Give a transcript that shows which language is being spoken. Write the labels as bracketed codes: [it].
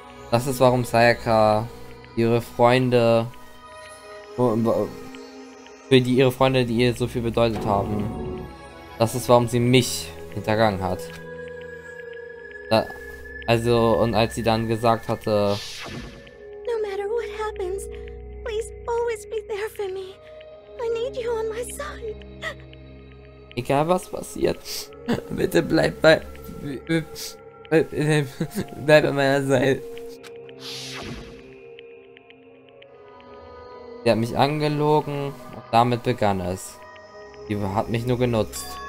[de] Das ist, warum Sayaka ihre Freunde, für die ihre Freunde, die ihr so viel bedeutet haben, das ist, warum sie mich hintergangen hat. Da, also, und als sie dann gesagt hatte, [en] no matter what happens, please always be there for me. I need you on my side. [de] Egal was passiert, bitte bleib bei, bleib an meiner Seite. Sie hat mich angelogen und damit begann es. Sie hat mich nur genutzt.